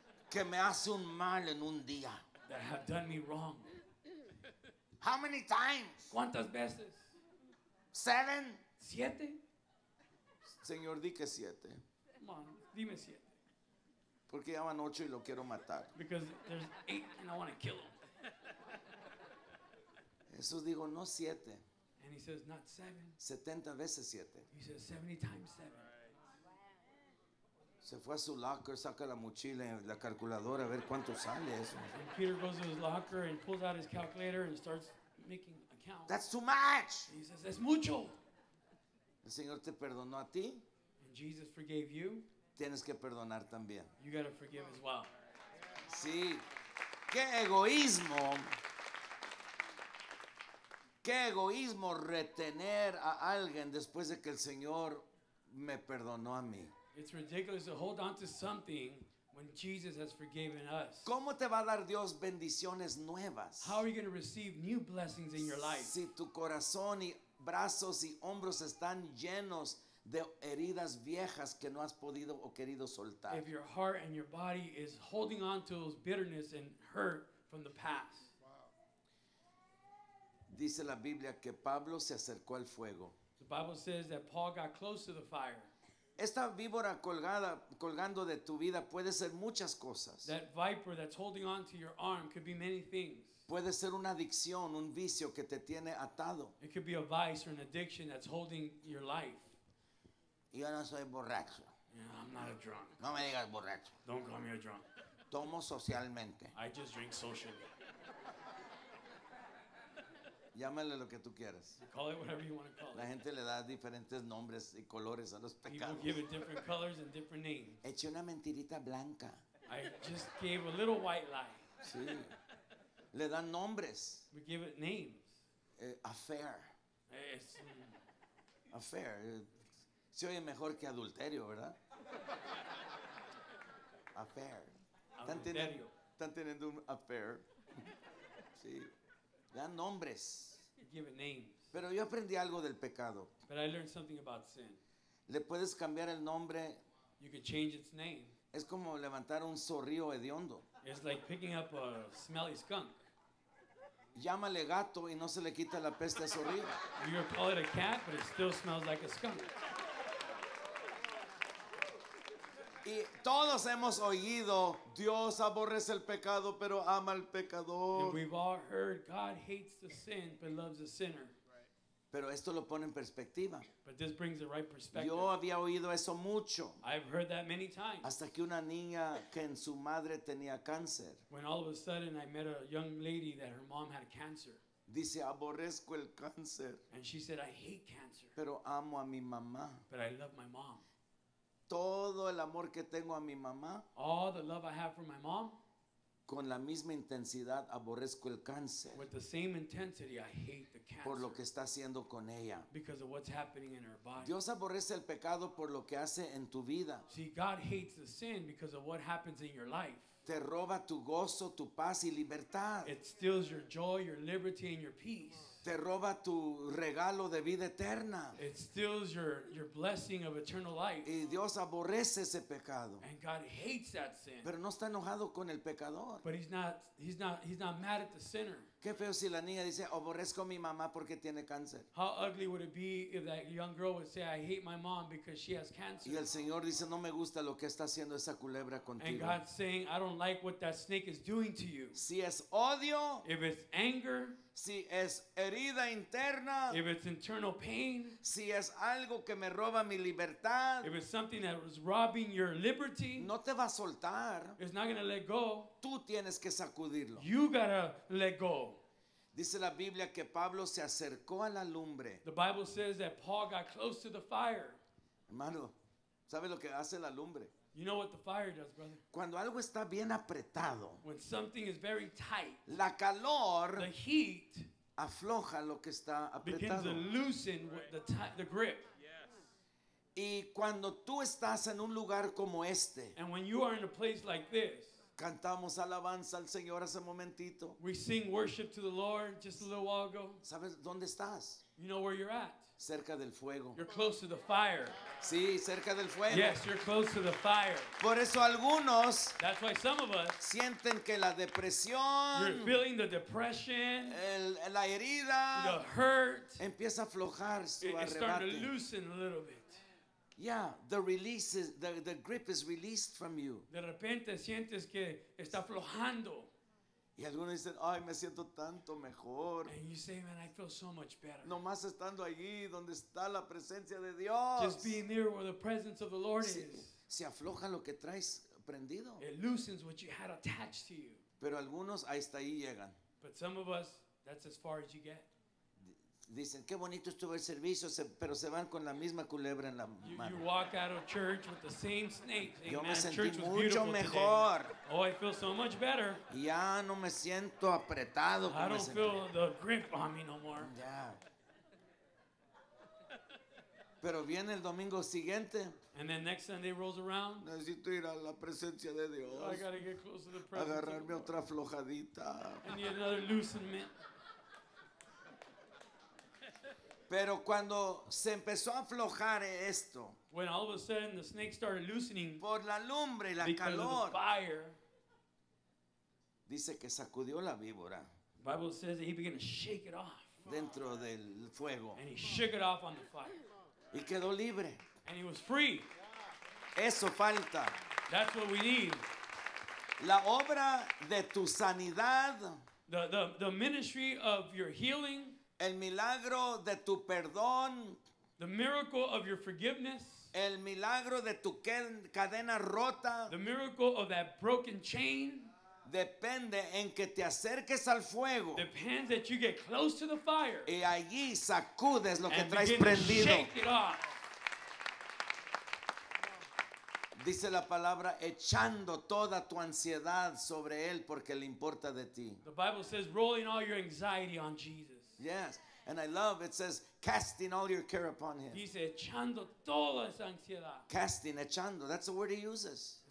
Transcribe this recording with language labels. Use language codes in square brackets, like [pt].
[es] Que me hace un mal en un día. [en] That have done me wrong. How many times? [es] ¿Cuántas veces? [en] Seven. [es] Siete. Señor, di que siete. [en] Come on, [es] dime siete. Porque ya van ocho y lo quiero matar. [en] Because there's eight and I want to kill him. [es] Jesús dijo, no siete. [en] And he says, not seven. [es] 70 veces siete. [en] He says, 70 times seven. [es] Se fue a su locker, saca la mochila, la calculadora, a ver cuánto sale eso. [en] And Peter goes to his locker and pulls out his calculator and starts making a count. That's too much. And he says, [es] es mucho. El Señor te perdonó a ti. [en] And Jesus forgave you. [es] Tienes que perdonar también. [en] You got to forgive as well. [es] Sí. Qué egoísmo. Qué egoísmo retener a alguien después de que el Señor me perdonó a mí. [en] It's ridiculous to hold on to something when Jesus has forgiven us. [es] ¿Cómo te va a dar Dios bendiciones nuevas? [en] How are you going to receive new blessings in your life? [es] Si tu corazón y brazos y hombros están llenos de heridas viejas que no has podido o querido soltar. [en] If your heart and your body is holding on to those bitterness and hurt from the past. [es] Dice la Biblia que Pablo se acercó al fuego. [en] The Bible says that Paul got close to the fire. [es] Esta víbora colgando de tu vida puede ser muchas cosas. [en] That viper that's holding on to your arm could be many things. [es] Puede ser una adicción, un vicio que te tiene atado. [en] It could be a vice or an addiction that's holding your life. [es] Yo no soy borracho. [en] Yeah, I'm not a drunk. [es] No me digas borracho. [en] Don't call me a drunk. [es] Tomo socialmente. [en] I just drink socially. [es] Llámale lo que tú quieras. [en] Call it whatever you want to call it. [es] La gente le da diferentes nombres y colores a los pecados. [en] People give it different colors and different names. [es] Eché una mentirita blanca. [en] I just gave a little white lie. [es] Sí. Le dan nombres. [en] We give it names. Affair. It's affair. [es] Se oye mejor que adulterio, ¿verdad? [en] Affair. [es] Están teniendo un affair. Sí. Dan nombres. [en] Give it names. [es] Pero yo aprendí algo del pecado. [en] But I learned something about sin. [es] Le puedes cambiar el nombre. [en] You can change its name. [es] Es como levantar un zorrío hediondo. [en] It's like picking up a smelly skunk. [es] Llámale gato y no se le quita la peste a zorrío. [en] You can call it a cat, but it still smells like a skunk. [es] Y todos hemos oído, Dios aborrece el pecado, pero ama al pecador. [en] And we've all heard, God hates the sin, but loves the sinner. [es] Pero esto lo pone en perspectiva. [en] But this brings the right perspective. [es] Yo había oído eso mucho. [en] I've heard that many times. [es] Hasta que una niña que en su madre tenía cáncer. [en] When all of a sudden I met a young lady that her mom had cancer. [es] Dice, aborrezco el cáncer. [en] And she said, I hate cancer. [es] Pero amo a mi mamá. [en] But I love my mom. [es] Todo el amor que tengo a mi mamá. [en] All the love I have for my mom. [es] Con la misma intensidad aborrezco el cáncer. [en] With the same intensity I hate the cancer. [es] Por lo que está haciendo con ella. [en] Because of what's happening in her body. [es] Dios aborrece el pecado por lo que hace en tu vida. [en] See, God hates the sin because of what happens in your life. [es] Te roba tu gozo, tu paz y libertad. [en] It steals your joy, your liberty and your peace. [es] Te roba tu regalo de vida eterna. [en] It steals your blessing of eternal life. [es] Y Dios aborrece ese pecado. [en] And God hates that sin. [es] Pero no está enojado con el pecador. [en] But he's not mad at the sinner. [es] Qué feo si la niña dice, aborrezco a mi mamá porque tiene cáncer. [en] How ugly would it be if that young girl would say, I hate my mom because she has cancer. [es] Y el Señor dice, no me gusta lo que está haciendo esa culebra contigo. [en] And God's saying, I don't like what that snake is doing to you. [es] Si es odio. [en] If it's anger. [es] Si es herida interna. [en] If it's internal pain. [es] Si es algo que me roba mi libertad. [en] If it's something that was robbing your liberty. [es] No te va a soltar. [en] It's not going to let go. [es] Tú tienes que sacudirlo. [en] You gotta let go. [es] Dice la Biblia que Pablo se acercó a la lumbre. [en] The Bible says that Paul got close to the fire. [es] Hermano, ¿sabe lo que hace la lumbre? [en] You know what the fire does, brother. [es] Cuando algo está bien apretado. [en] When something is very tight. [es] La calor. [en] The heat. [es] Afloja lo que está apretado. [en] Begins to loosen the grip. [es] Y cuando tú estás en un lugar como este. [en] And when you are in a place like this. [es] Cantamos alabanza al Señor hace momentito. [en] We sing worship to the Lord just a little while ago. [es] ¿Sabes dónde estás? [en] You know where you're at. [es] Cerca del fuego. [en] You're close to the fire. [es] Sí, cerca del fuego. [en] Yes, you're close to the fire. [es] Por eso algunos. [en] That's why some of us. [es] Sienten que la depresión. [en] You're feeling the depression. [es] La herida. [en] The hurt. [es] Empieza a aflojar su arrebate. [en] It's starting to loosen a little bit. Yeah, the release is the grip is released from you. [es] De repente sientes que está aflojando. Y algunos dicen, ay, me siento tanto mejor. [en] And you say, man, I feel so much better. [es] Nomás estando allí donde está la presencia de Dios. [en] Just being near where the presence of the Lord is. [es] Se afloja lo que traes prendido. [en] It loosens what you had attached to you. [es] Pero algunos hasta ahí llegan. [en] But some of us, that's as far as you get. [es] Dicen, qué bonito estuvo el servicio, pero se van con la misma culebra en la mano. [en] You walk out of church with the same snake. Hey, [es] yo [en] man, [es] me sentí mucho mejor. [en] Today. Oh, I feel so much better. [es] Ya no me siento apretado. [en] I don't feel the grip on me no more. [es] Ya. Pero viene el domingo siguiente. [en] And then next Sunday rolls around. [es] Necesito ir a la presencia de Dios. [en] Oh, I gotta get close to the presence. [es] Agarrarme otra aflojadita. [en] I need another loosenment. [es] Pero cuando se empezó a aflojar esto, [en] when all of a sudden the snake started loosening, [es] por la lumbre y la [en] because [es] calor, [en] of the fire, [es] dice que sacudió la víbora. [en] The Bible says that he began to shake it off [es] dentro del fuego, [en] and he shook it off on the fire, [es] y quedó libre, [en] and he was free. [es] Eso falta. [en] That's what we need. [es] La obra de tu sanidad, [en] the ministry of your healing. [es] El milagro de tu perdón. [en] The miracle of your forgiveness. [es] El milagro de tu cadena rota. [en] The miracle of that broken chain. [es] Depende en que te acerques al fuego. [en] Depends that you get close to the fire. [es] Y allí sacudes lo [en] and [es] que traes prendido. [en] Shake it off. [es] Dice la palabra echando toda tu ansiedad sobre él porque le importa de ti. [en] The Bible says rolling all your anxiety on Jesus. Yes, and I love it says casting all your care upon him. [es] Dice echando toda esa ansiedad. [en] Casting, echando, that's the word he uses.